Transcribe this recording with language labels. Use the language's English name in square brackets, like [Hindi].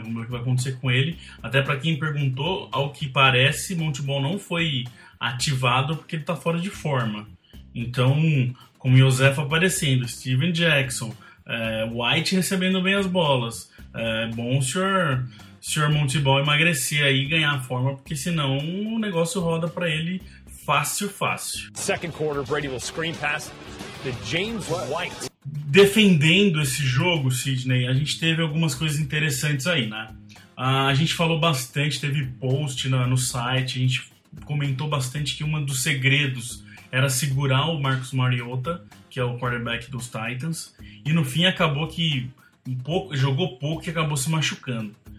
[Portuguese] Vamos ver o que vai acontecer com ele. Até para quem perguntou, ao que parece, Monty Ball não foi ativado porque ele tá fora de forma. Então, com o José aparecendo, Steven Jackson, White recebendo bem as bolas, bom o senhor Monty Ball emagrecer aí e ganhar forma, porque senão o negócio roda para ele. Fácil, fácil. [English] Second quarter, Brady will screen pass to James White. [Portuguese] Defendendo esse jogo, Sidney, a gente teve algumas coisas interessantes aí, né? A gente falou bastante, teve post no site, a gente comentou bastante que um dos segredos era segurar o Marcus Mariota, que é o quarterback dos Titans, e no fim acabou que jogou pouco e acabou se machucando.